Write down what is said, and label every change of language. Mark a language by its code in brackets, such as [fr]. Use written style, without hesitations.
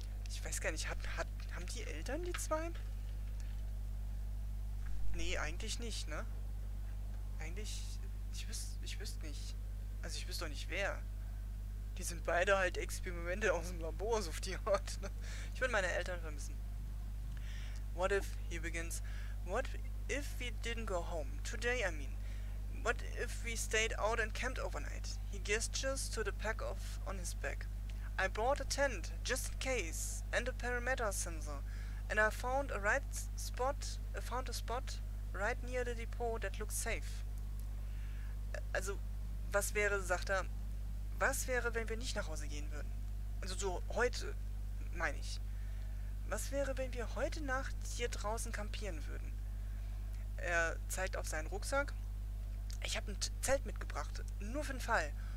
[de] Ich weiß gar nicht, haben die Eltern die zwei? Nee, eigentlich nicht, ne? Eigentlich, ich wüsste nicht, also ich wüsste doch nicht wer. Die sind beide halt Experimente aus dem Labor, so auf die Art, ne? Ich würde meine Eltern vermissen. [en] What if, he begins, what if we didn't go home, today I mean, what if we stayed out and camped overnight? He gestures to the pack on his back. I brought a tent, just in case, and a parameter sensor, and I found a spot right near the depot that looks safe. [de] Also, was wäre, sagt er, was wäre, wenn wir nicht nach Hause gehen würden? Also so heute, meine ich. Was wäre, wenn wir heute Nacht hier draußen campieren würden? Er zeigt auf seinen Rucksack. Ich habe ein Zelt mitgebracht, nur für den Fall.